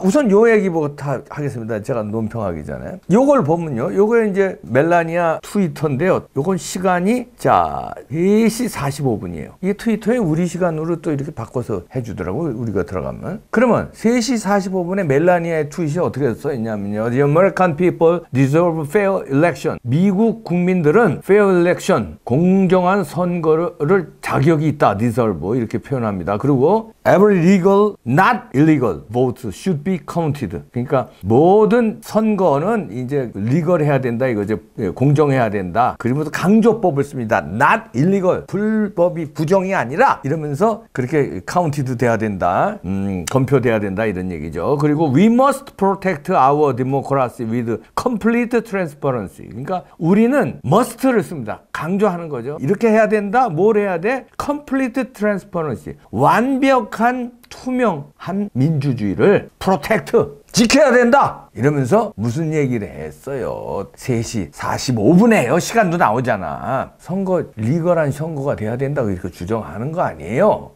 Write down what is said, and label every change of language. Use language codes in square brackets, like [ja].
[ko] 우선 요 얘기부터 하겠습니다. 제가 논평하기 전에 요걸 보면요. 요거 이제 멜라니아 트위터인데요. 요건 시간이 자 3시 45분이에요. 이 트위터에 우리 시간으로 또 이렇게 바꿔서 해주더라고요. 우리가 들어가면. 그러면 3시 45분에 멜라니아의 트윗이 어떻게 써있냐면요. [en] The American people deserve fair election. [ko] 미국 국민들은 [en] fair election. [ko] 공정한 선거를 자격이 있다. deserve. 이렇게 표현합니다. [en] 그리고 every legal, not illegal vote should be counted. [ko] 그러니까 모든 선거는 이제 legal 해야 된다. 이거죠. 공정해야 된다. 그러면서 강조법을 씁니다. [en] not illegal, [ko] 불법이 부정이 아니라 이러면서 그렇게 카운티드 돼야 된다, 검표돼야 된다 이런 얘기죠. [en] 그리고 we must protect our democracy with complete transparency. [ko] 그러니까 우리는 must를 씁니다. 강조하는 거죠. 이렇게 해야 된다, 뭘 해야 돼? [en] complete transparency, [ko] 완벽한 투명한 민주주의를 protect, 지켜야 된다 이러면서 무슨 얘기를 했어요. 3시 45분에요. 시간도 나오잖아. 선거 리걸한 선거가 돼야 된다고 이렇게 주장하는 거 아니에요.